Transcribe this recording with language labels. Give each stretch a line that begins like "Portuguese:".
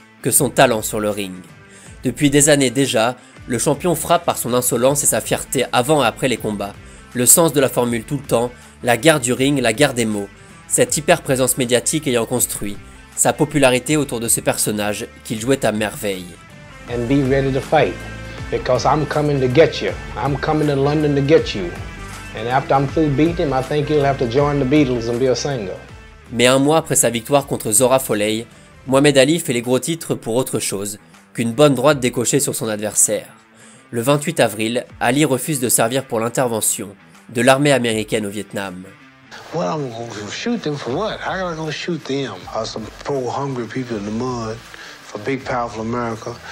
French: que son talent sur le ring. Depuis des années déjà, le champion frappe par son insolence et sa fierté avant et après les combats. Le sens de la formule tout le temps, la guerre du ring, la guerre des mots. Cette hyper-présence médiatique ayant construit sa popularité autour de ce personnage qu'il jouait à merveille.
English: And be ready to fight, because I'm coming to get you. I'm coming to London to get you. And after I'm through beating him, I think you'll have to join the Beatles and be a singer.
French: Mais un mois après sa victoire contre Zora Foley, Mohamed Ali fait les gros titres pour autre chose qu'une bonne droite décochée sur son adversaire. Le 28 avril, Ali refuse de servir pour l'intervention de l'armée américaine au Vietnam.
English: Well, I'm gonna shoot them for what? How am I gonna shoot them? Are some poor, hungry people in the mud for big, powerful America?